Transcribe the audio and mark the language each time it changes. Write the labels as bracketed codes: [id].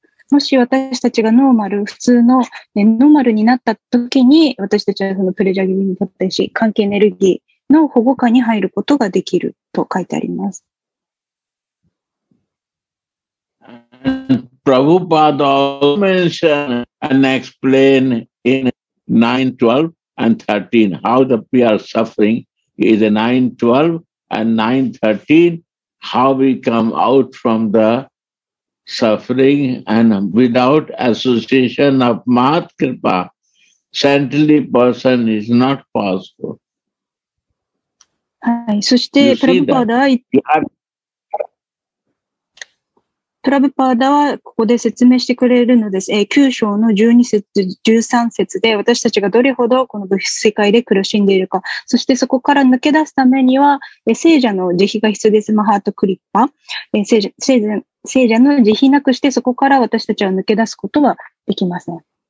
[ja] もし私たちがノーマル、普通の、ね、ノーマルになったときに、私たちはそのプレジャーギングポテンシー、関係エネルギーの保護下に入ることができると書いてあります。 [en] Prabhupada mentioned and explained in 9, 12 and 13 how the pure suffering is 9, 12 and 9, 13. How we come out from the suffering and without association of Mahatkripa, saintly person is not possible. [ja] はい、そしてプラブパーダは、プラブパーダはここで説明してくれるのです。 9章の12節、13節で私たちがどれほどこの物質世界で苦しんでいるか、そしてそこから抜け出すためには、聖者の慈悲が必要です。マハートクリッパ、聖者の慈悲なくしてそこから私たちは抜け出すことはできません。